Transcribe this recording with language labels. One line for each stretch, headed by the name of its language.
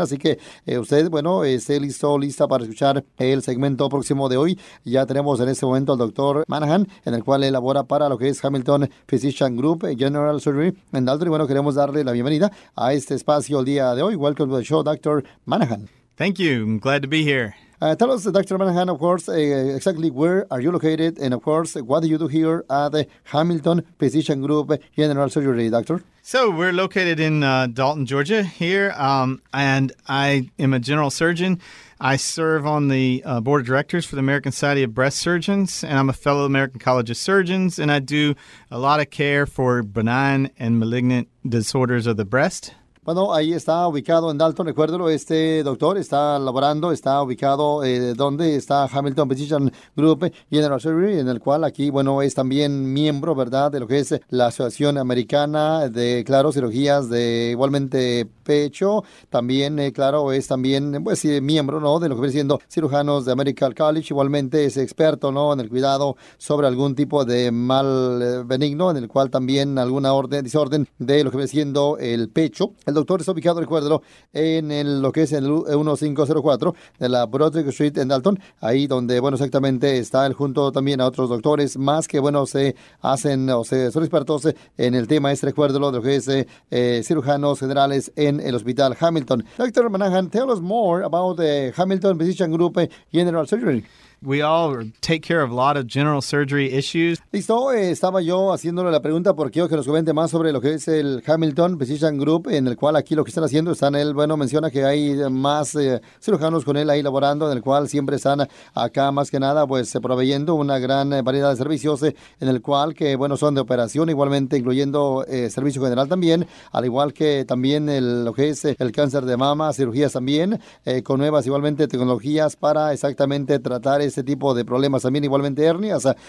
Spanish: Así que usted, bueno, esté listo, lista para escuchar el segmento próximo de hoy. Ya tenemos en este momento al doctor Manahan, en el cual elabora para lo que es Hamilton Physician Group General Surgery en Dalton. Y bueno, queremos darle la bienvenida a este espacio el día de hoy.
English: Welcome to the show, Dr. Manahan. Thank you. I'm glad to be here. Tell us, Dr. Manahan, of course, exactly where are you located? And of course, what do you do here at the Hamilton Physician Group General Surgery, Doctor? So we're located in Dalton, Georgia here, and I am a general surgeon. I serve on the board of directors for the American Society of Breast Surgeons, and I'm a fellow of the American College of Surgeons, and I do a lot of care for benign and malignant disorders of the breast.
Spanish: Bueno, ahí está ubicado en Dalton, recuérdelo, este doctor está laborando, está ubicado donde está Hamilton Physician Group General Surgery, en el cual aquí, bueno, es también miembro, ¿verdad?, de lo que es la Asociación Americana de, claro, cirugías de igualmente pecho, también, claro, es también, pues, miembro, ¿no?, de lo que viene siendo cirujanos de American College, igualmente es experto, ¿no?, en el cuidado sobre algún tipo de mal benigno, en el cual también alguna orden, disorden de lo que viene siendo el pecho. El doctor está ubicado, recuérdelo, en el, lo que es el 1504 de la Broderick Street en Dalton, ahí donde, bueno, exactamente está él junto también a otros doctores más que, bueno, se hacen o se son expertos en el tema, este, recuérdelo, de lo que es cirujanos generales en el Hospital Hamilton.
English: Dr. Manahan, tell us more about the Hamilton Physician Group General Surgery. We all take care of a lot of general surgery issues.
Spanish: Listo, estaba yo haciéndole la pregunta porque quiero que nos comente más sobre lo que es el Hamilton Physician Group, en el cual aquí lo que están haciendo, están él, bueno, menciona que hay más cirujanos con él ahí laborando, en el cual siempre están acá más que nada, pues, proveyendo una gran variedad de servicios, en el cual que, bueno, son de operación, igualmente incluyendo servicio general también, al igual que también el, lo que es el cáncer de mama, cirugías también, con nuevas igualmente tecnologías para exactamente tratar este tipo de problemas, también igualmente hernias.